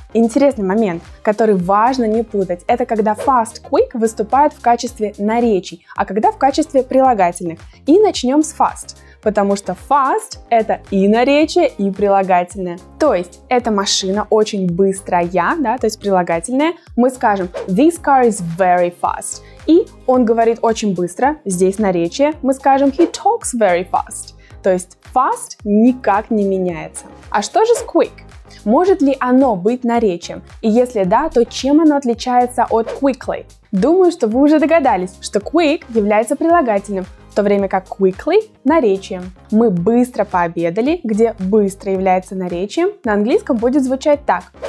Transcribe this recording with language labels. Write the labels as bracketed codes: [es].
[ru] Интересный момент, который важно не путать, это когда fast, quick выступают в качестве наречий, а когда в качестве прилагательных. И начнем с fast. Потому что fast – это и наречие, и прилагательное. То есть, эта машина очень быстрая, да, то есть прилагательное. Мы скажем [en] this car is very fast. [ru] И он говорит очень быстро, здесь наречие. Мы скажем [en] he talks very fast. [ru] То есть, fast никак не меняется. А что же с quick? Может ли оно быть наречием? И если да, то чем оно отличается от quickly? Думаю, что вы уже догадались, что quick является прилагательным, в то время как quickly – наречием. Мы быстро пообедали, где быстро является наречием, на английском будет звучать так.